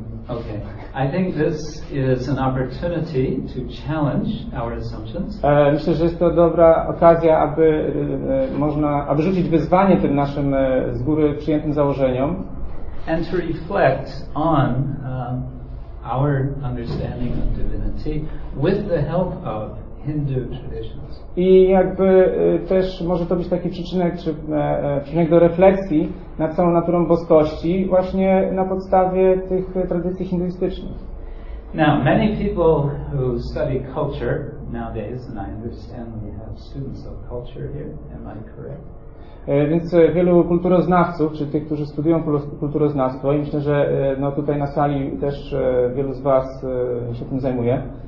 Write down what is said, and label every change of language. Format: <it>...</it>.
<en>Okay. I think this is an opportunity to challenge our assumptions.</en> <pl>Myślę, że jest to dobra okazja, aby można, aby rzucić wyzwanie tym naszym z góry przyjętym założeniom.</pl> <en>And to reflect on our understanding of divinity with the help of Hindu traditions.</en> <pl>I jakby też może to być taki przyczynek, czy przyczynek do refleksji nad całą naturą boskości właśnie na podstawie tych tradycji hinduistycznych.</pl> <en>Now, many people who study culture nowadays, and I understand we have students of culture here, am I correct?</en> <pl>Więc wielu kulturoznawców, czy tych, którzy studiują kulturoznawstwo, i myślę, że no, tutaj na sali też wielu z was się tym zajmuje.</pl>